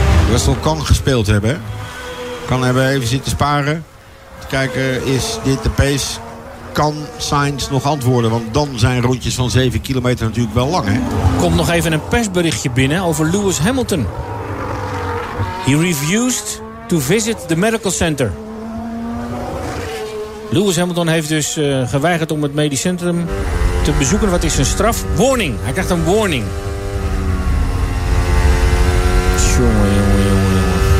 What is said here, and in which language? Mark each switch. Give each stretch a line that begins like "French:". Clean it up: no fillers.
Dutch: Russell kan gespeeld hebben. Kan hebben even zitten sparen. Te kijken, is dit de pace? Kan Sainz nog antwoorden? Want dan zijn rondjes van 7 kilometer natuurlijk wel lang. Hè? Komt nog even een persberichtje binnen over Lewis Hamilton.
English: He refused to visit the medical center.
Dutch: Lewis Hamilton heeft dus geweigerd om het medisch centrum te bezoeken. Wat is zijn straf? Warning. Hij krijgt een warning. Tjonge, jonge, jonge, jonge.